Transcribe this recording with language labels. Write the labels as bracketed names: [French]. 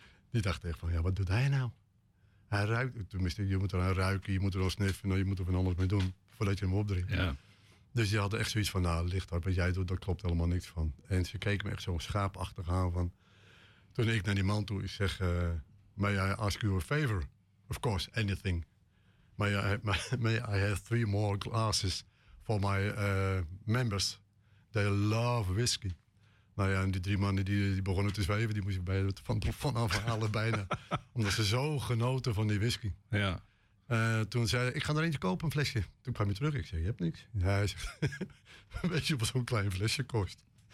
[Dutch] Die dachten echt van, ja, wat doet hij nou? Hij ruikt, tenminste, je moet eraan ruiken, je moet er al sniffen, nou, je moet er van alles mee doen voordat je hem opdrinkt. Ja. Dus die hadden echt zoiets van, nou, licht hard, wat jij doet, daar klopt helemaal niks van. En ze keken me echt zo schaapachtig aan van, toen ik naar die man toe, ik zeg, [English] may I ask you a favor? Of course, anything. May I have three more glasses for my members? They love whiskey. [Dutch] Nou ja, en die drie mannen die begonnen te zweven, die moesten vanaf halen bijna. Omdat ze zo genoten van die whisky. Ja. Toen zei ik ga er eentje kopen, een flesje. Toen kwam hij terug. Ik zei, je hebt niks. Ja, hij zegt, weet je wat zo'n klein flesje kost?